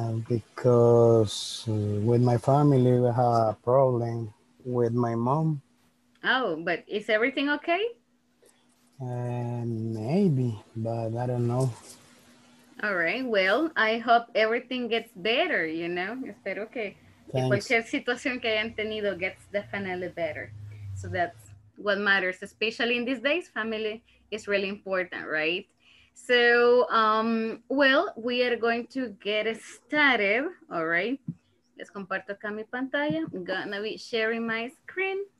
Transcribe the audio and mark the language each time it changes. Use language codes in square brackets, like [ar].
[en] Because with my family, we have a problem with my mom. Oh, but is everything okay? Maybe, but I don't know. All right, well, I hope everything gets better, you know? [es] Espero que cualquier situación que hayan tenido [en] gets definitely better. So that's what matters, especially in these days. Family is really important, right? So, well, we are going to get started, all right? [es] Les comparto acá mi pantalla. [en] I'm gonna be sharing my screen.